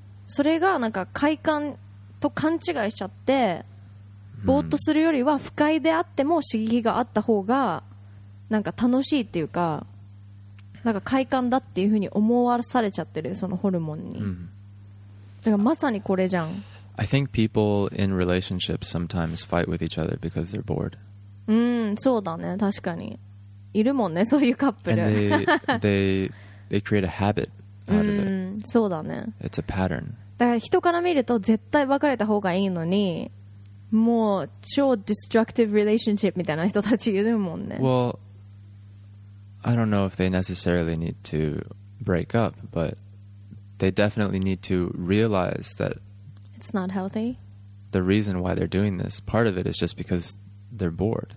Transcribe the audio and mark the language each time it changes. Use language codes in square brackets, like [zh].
[ja] それがなんか快感と勘違いしちゃって、ぼーっとするよりは不快であっても刺激があった方がなんか楽しいっていうか、なんか快感だっていうふうに思わされちゃってる、そのホルモンに。だからまさにこれじゃん。 [en] I think people in relationships sometimes fight with each other because they're bored. [ja] そうだね、確かにいるもんね、そういうカップル。 [en] And they create a habit out of it. [ja] そうだね。 [en] It's a pattern. [ja] だから人から見ると絶対別れた方がいいのに。もう超 [en] destructive relationship [ja] みたいな人たちいるもんね。 [en] Well, I don't know if they necessarily need to break up, but they definitely need to realize that it's not healthy. The reason why they're doing this, part of it is just because they're bored.